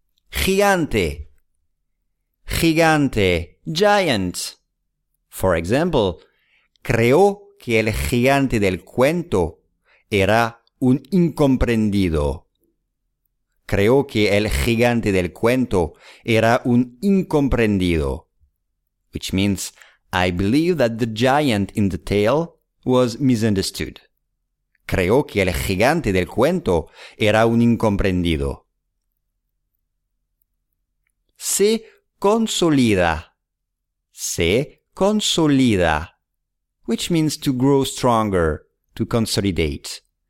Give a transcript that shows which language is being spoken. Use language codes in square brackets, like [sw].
[es] Gigante. Gigante. Giant. [en] For example, [es] creo que el gigante del cuento era un incomprendido. Creo que el gigante del cuento era un incomprendido. [en] Which means, I believe that the giant in the tale was misunderstood. [es] Creo que el gigante del cuento era un incomprendido. Se consolida. Se consolida. [en] Which means to grow stronger, to consolidate.